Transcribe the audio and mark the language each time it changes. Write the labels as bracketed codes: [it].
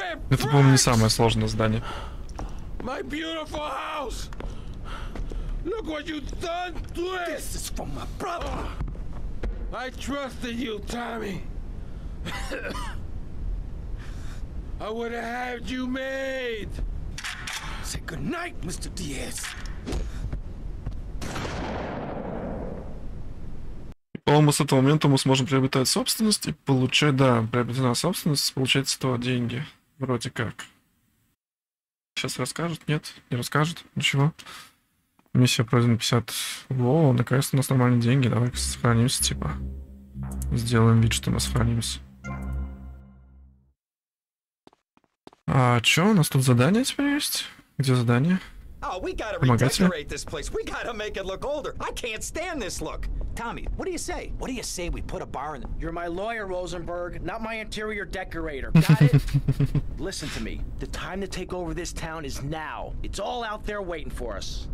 [ru] Это было не самое сложное здание. [en] My beautiful house! Look what you've done to it! This is for my brother! I trusted you, Tommy! I would have had you made! Say goodnight, Mr. Diaz! [ru] По-моему, с этого момента мы сможем приобретать собственность и получать, да, приобретена собственность, получать с этого деньги. Вроде как. Сейчас расскажут? Нет, не расскажут. Ничего. Миссия пройдена 50. Во, наконец-то у нас нормальные деньги. Давай сохранимся, типа. Сделаем вид, что мы сохранимся. А что, у нас тут задание теперь есть? Где задание? [en] Oh, we gotta redecorate this place. We gotta make it look older. I can't stand this look. Tommy, what do you say? What do you say we put a bar in? You're my lawyer, Rosenberg, not my interior decorator. Got it? Listen to me. The time to take over this town is now. It's all out there waiting for us.